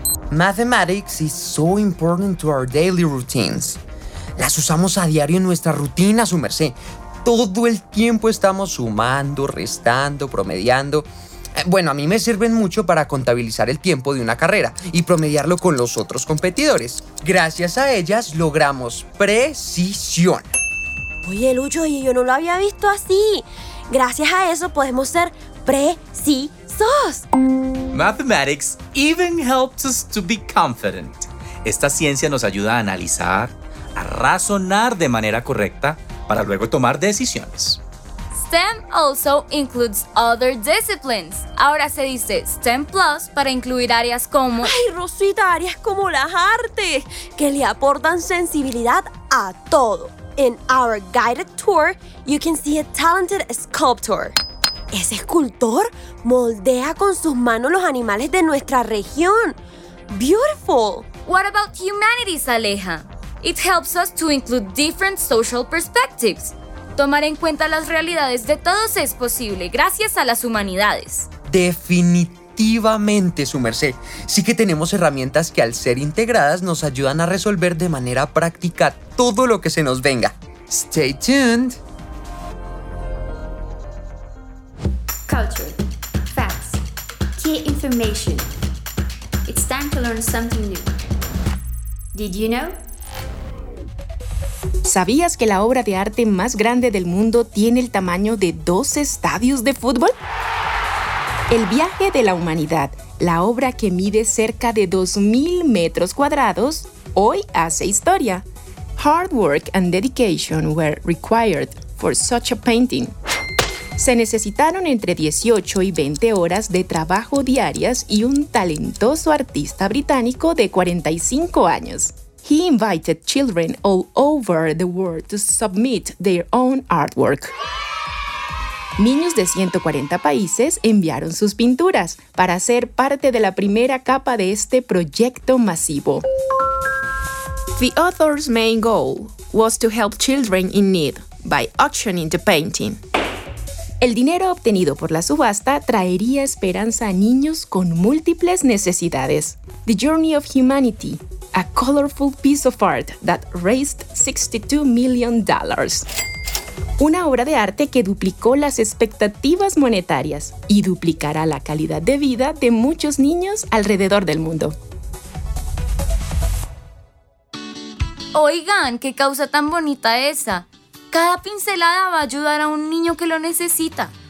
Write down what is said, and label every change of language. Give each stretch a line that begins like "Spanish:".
English: Mathematics is so important to our daily routines.
Spanish: Las usamos a diario en nuestra rutina, su merced. Todo el tiempo estamos sumando, restando, promediando. Bueno, a mí me sirven mucho para contabilizar el tiempo de una carrera y promediarlo con los otros competidores. Gracias a ellas logramos precisión. Oye, Lucho, y yo no lo había visto así. Gracias a eso podemos ser precisos.
English: Mathematics even helps us to be confident.
Spanish: Esta ciencia nos ayuda a analizar, a razonar de manera correcta para luego tomar decisiones.
English: STEM also includes other disciplines.
Spanish: Ahora se dice STEM Plus para incluir áreas como... ¡Ay, Rosita! Áreas como las artes, que le aportan sensibilidad a todo.
English: In our guided tour, you can see a talented sculptor.
Spanish: Ese escultor moldea con sus manos los animales de nuestra región.
English: ¡Beautiful! What about humanities, Aleja? It helps us to include different social perspectives.
Spanish: Tomar en cuenta las realidades de todos es posible gracias a las humanidades. Definitivamente, su merced. Sí que tenemos herramientas que al ser integradas nos ayudan a resolver de manera práctica todo lo que se nos venga.
English: Stay tuned. Culture. Facts. Key information. It's time to learn something new. Did you know?
Spanish: ¿Sabías que la obra de arte más grande del mundo tiene el tamaño de 2 estadios de fútbol? El viaje de la humanidad, la obra que mide cerca de 2.000 metros cuadrados, hoy hace historia.
English: Hard work and dedication were required for such a painting.
Spanish: Se necesitaron entre 18 y 20 horas de trabajo diarias y un talentoso artista británico de 45 años.
English: He invited children all over the world to submit their own artwork.
Spanish: Niños de 140 países enviaron sus pinturas para ser parte de la primera capa de este proyecto masivo.
English: The author's main goal was to help children in need by auctioning the painting.
Spanish: El dinero obtenido por la subasta traería esperanza a niños con múltiples necesidades.
English: The Journey of Humanity, a colorful piece of art that raised $62 million.
Spanish: Una obra de arte que duplicó las expectativas monetarias y duplicará la calidad de vida de muchos niños alrededor del mundo. Oigan, qué causa tan bonita esa. Cada pincelada va a ayudar a un niño que lo necesita.